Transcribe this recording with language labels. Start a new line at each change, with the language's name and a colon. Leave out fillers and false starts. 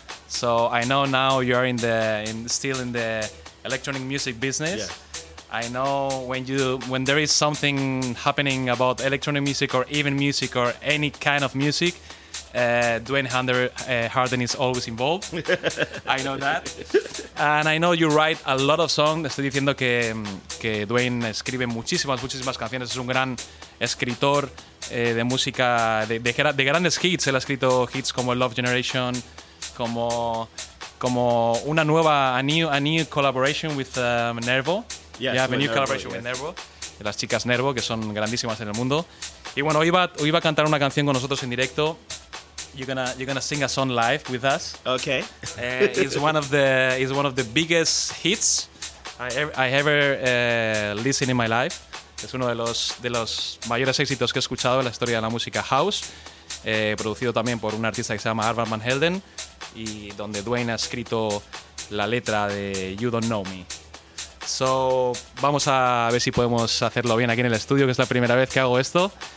English: So I know now you're still in the electronic music business. Yeah. I know when there is something happening about electronic music or even music or any kind of music, Duane Harden is always involved. I know that. And I know you write a lot of songs.
Spanish: Estoy diciendo que Duane escribe muchísimas, muchísimas canciones. Es un gran escritor de música, de grandes hits. Él ha escrito hits como Love Generation, como una nueva,
English: a new collaboration with Nervo. Yes, yeah, a new Nervo, collaboration yes. with Nervo.
Spanish: Las chicas Nervo, que son grandísimas en el mundo. Y bueno, hoy iba a cantar una canción con nosotros en directo.
English: You're gonna sing a song live with us. Okay. it's one of the biggest hits I ever listened in my life.
Spanish: Es uno de los mayores éxitos que he escuchado en la historia de la música house. Producido también por un artista que se llama Arvan Van Helden y donde Duane ha escrito la letra de You Don't Know Me. So vamos a ver si podemos hacerlo bien aquí en el estudio, que es la primera vez que hago esto.